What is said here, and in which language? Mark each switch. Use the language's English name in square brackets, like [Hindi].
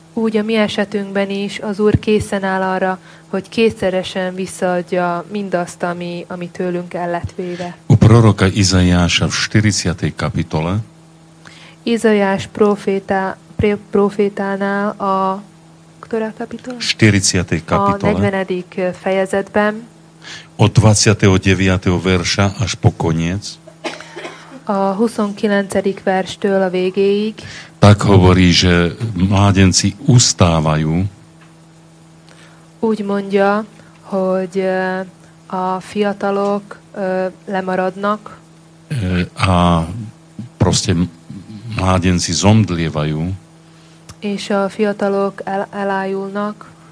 [Hungarian] Úgy a mi esetünkben is az Úr készen áll arra, hogy kétszeresen visszaadja mindazt, ami tőlünk el lett véve. [Slovak] U proroka Izaiáša v 40. kapitole. [Hungarian] Izaiás profétánál a [Slovak] ktorá kapitola? 40. kapitola. [Hungarian] A 40. fejezetben. [Slovak] Od 29. verša až po koniec. [Hungarian] A 29. verstől a végéig. [Slovak] Tak hovorí, že mládenci ustávajú. [Hungarian] Úgy mondja, hogy a fiatalok lemaradnak. [Slovak] A proste mládenci zomdlievajú. [Hungarian] És a fiatalok elájulnak.